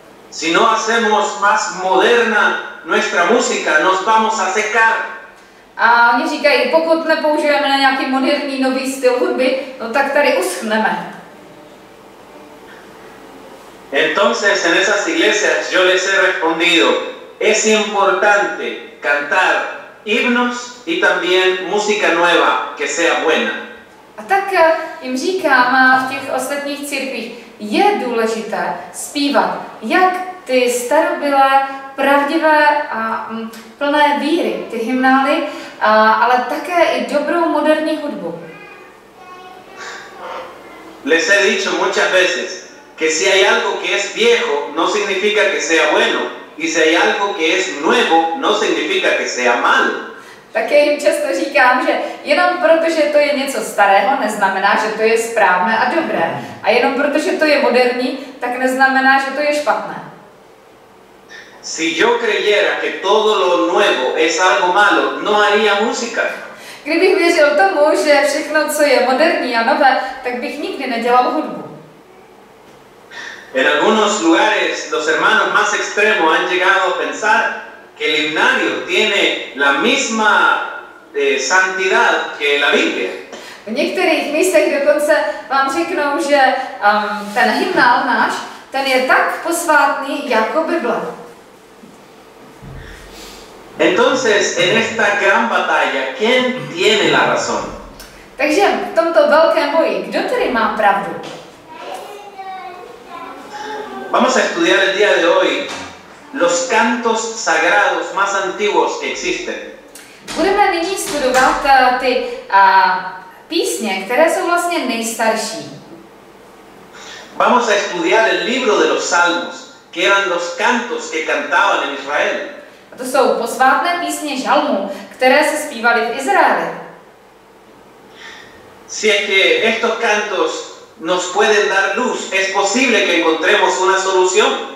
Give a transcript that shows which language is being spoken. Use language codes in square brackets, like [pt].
[es] Si no hacemos más moderna nuestra música, nos vamos a secar. [cs] A oni říkají, pokud nepoužijeme na nějaký moderní nový styl hudby, no tak tady uschneme. [es] Entonces en esas iglesias yo les he respondido, es importante cantar himnos y también música nueva que sea buena. [cs] A tak jim říkám v těch ostatních církvích, je důležité zpívat jak ty starobylé, pravdivé a plné víry, ty hymnály, ale také i dobrou moderní hudbu. [es] Les he dicho muchas veces que si hay algo que es viejo, no significa que sea bueno. Y si hay algo que es nuevo, no significa que sea malo. [cs] Také jim často říkám, že jenom protože to je něco starého, neznamená, že to je správné a dobré. A jenom protože to je moderní, tak neznamená, že to je špatné. [es] Si yo creyera que todo lo nuevo es algo malo, no haría música. [cs] Kdybych věřil tomu, že všechno, co je moderní a nové, tak bych nikdy nedělal hudbu. [es] En algunos lugares los hermanos más extremos han llegado a pensar que el himnario tiene la misma santidad que la Biblia. [cs] V některých místech dokonce vám řeknou, že ten hymnál náš, ten je tak posvátný jako Bible. [es] Entonces, en esta gran batalla, ¿quién tiene la razón? [cs] Takže v tomto velkém boji, kdo tedy má pravdu? [es] Vamos a estudiar el día de hoy los cantos sagrados más antiguos que existen. [cs] Budeme nyní studovat ty písně, které jsou vlastně nejstarší. [es] Vamos a estudiar el libro de los salmos, que eran los cantos que cantaban en Israel. [cs] A to jsou posvátné písně žalmů, které se zpívaly v Izraeli. [es] Si es que estos cantos nos pueden dar luz, es posible que encontremos una solución.